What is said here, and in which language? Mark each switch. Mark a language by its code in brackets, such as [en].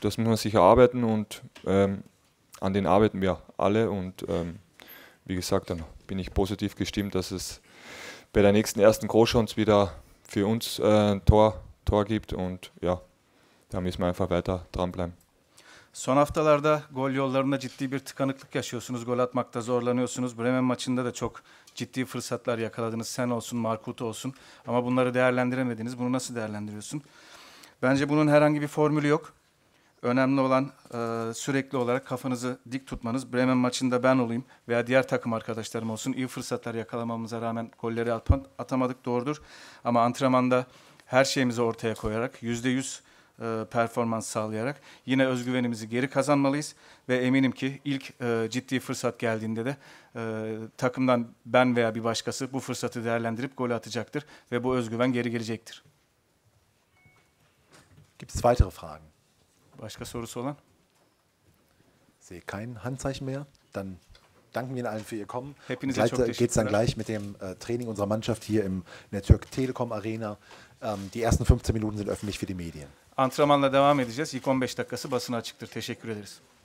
[de] Das muss man sich erarbeiten und an den arbeiten wir alle und wie gesagt, dann bin ich positiv gestimmt, dass es bei der nächsten ersten Großchance wieder für uns ein Tor gibt und ja, da müssen wir einfach weiter dranbleiben. [tr] Son haftalarda gol yollarında ciddi bir tıkanıklık yaşıyorsunuz, gol atmakta zorlanıyorsunuz. Bremen maçında da çok ciddi fırsatlar yakaladınız, sen olsun, Markuto olsun. Ama bunları değerlendiremediniz, bunu nasıl değerlendiriyorsun? Bence bunun herhangi bir formülü yok. Önemli olan sürekli olarak kafanızı dik tutmanız. Bremen maçında ben olayım veya diğer takım arkadaşlarım olsun, iyi fırsatlar yakalamamıza rağmen golleri atamadık, doğrudur. Ama antrenmanda her şeyimizi ortaya koyarak, %100 performans sağlayarak yine özgüvenimizi geri kazanmalıyız ve eminim ki ilk ciddi fırsat geldiğinde de takımdan ben veya bir başkası bu fırsatı değerlendirip gol atacaktır ve bu özgüven geri gelecektir. [de] Gibt es weitere Fragen? [tr] Başka sorusu olan? [de] Sehe kein Handzeichen mehr. Dann danken wir allen für Ihr Kommen. [tr] Hepinize çok teşekkürler. [de] Geht's dann gleich mit dem Training unserer Mannschaft hier in der Türk Telekom Arena. Die ersten 15 Minuten sind öffentlich für die Medien. [tr] Antrenmanla devam edeceğiz. İlk 15 dakikası basına açıktır. Teşekkür ederiz.